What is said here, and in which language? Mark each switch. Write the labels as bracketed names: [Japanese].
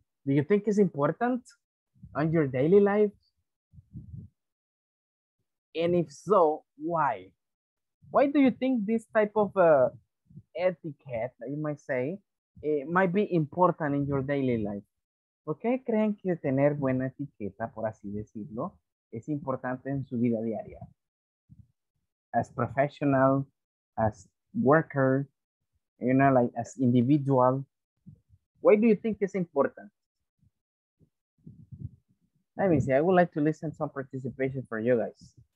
[English] Do you think it's important on your daily life? And if so, why? Why do you think this type of etiquette, you might say, might be important in your daily life? [Spanish] ¿Por qué creen que tener buena etiqueta, por así decirlo, es importante en su vida diaria? [English] As professional, as worker, you know, like as individual. Why do you think it's important? Let me see, I would like to listen to some participation for you guys.